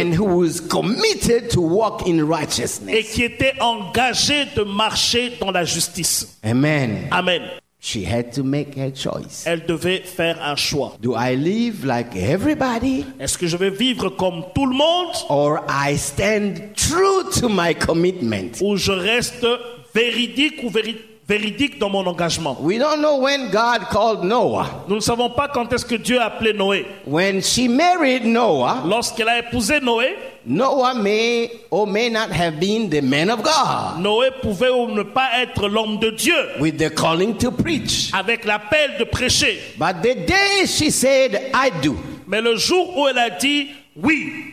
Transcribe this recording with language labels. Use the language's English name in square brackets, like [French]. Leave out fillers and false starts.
[English] And who is committed to walk in righteousness? [French] Et qui était engagé de marcher dans la justice. [English] Amen. [French] Amen. [English] She had to make her choice. [French] Elle devait faire un choix. [English] Do I live like everybody? [French] Est-ce que je vais vivre comme tout le monde? [English] Or I stand true to my commitment? [French] Ou je reste véridique ou véritable? Véridique dans mon engagement. [English] We don't know when God called Noah. [French] Nous ne savons pas quand est-ce que Dieu a appelé Noé. [English] When she married Noah, [French] lorsqu'elle a épousé Noé, [English] Noah may or may not have been the man of God. [French] Noé pouvait ou ne pas être l'homme de Dieu. [English] With the calling to preach. [French] Avec l'appel de prêcher. [English] But the day she said, I do. [French] Mais le jour où elle a dit oui,